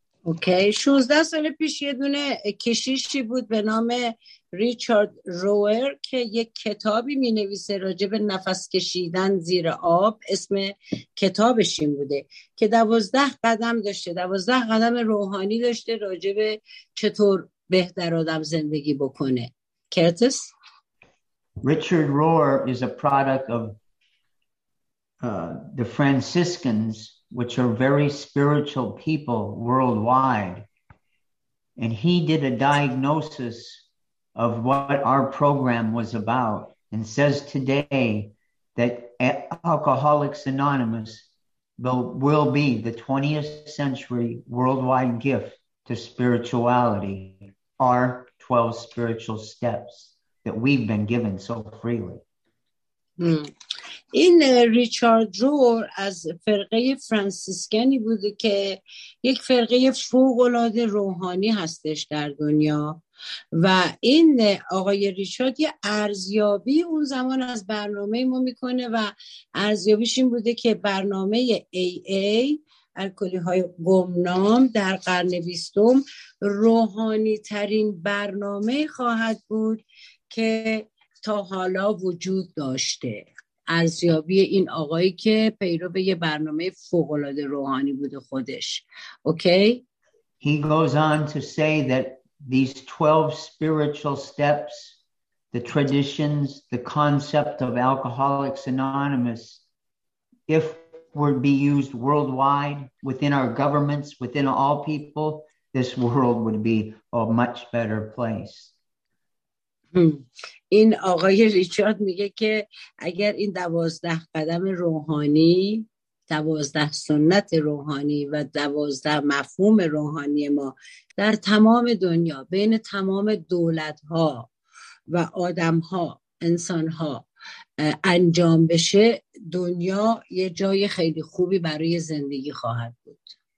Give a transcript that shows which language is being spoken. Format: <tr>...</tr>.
<fa>Okay, 16 سال پیش یه دونه کشیشی بود به نام ریچارد روئر که یک کتابی می نویسه راجع به نفس کشیدن زیر آب، اسم کتابش این بوده که 12 قدم داشته، 12 قدم روحانی داشته راجع به چطور بهتر آدم زندگی بکنه. کرتس؟</fa> <en>Richard Rohr is a product of the Franciscans, which are very spiritual people worldwide. And he did a diagnosis of what our program was about and says today that Alcoholics Anonymous will be the 20th century worldwide gift to spirituality, our 12 spiritual steps that we've been given so freely.</en> <fa>این ریچارد رور از فرقه فرانسیسکنی بوده که یک فرقه فوق‌العاده روحانی هستش در دنیا و این آقای ریچارد یه ارزیابی اون زمان از برنامه ما میکنه و ارزیابیش این بوده که برنامه AA الکلی های گمنام در قرن بیستم روحانی ترین برنامه خواهد بود که تا حالا وجود داشته. ارزیابی این آقایی که پیرو به یه برنامه فوق‌العاده روحانی بوده خودش. اوکی؟</fa> <en>He goes on to say that these 12 spiritual steps, the traditions, the concept of Alcoholics Anonymous, if were to be used worldwide, within our governments, within all people, this world would be a much better place.</en> <fa>این آقای ریچارد میگه که اگر این 12 قدم روحانی، 12 سنت روحانی و 12 مفهوم روحانی ما در تمام دنیا بین تمام دولت‌ها و آدم‌ها، انسان‌ها انجام بشه، دنیا یه جای خیلی خوبی برای زندگی خواهد بود.</fa>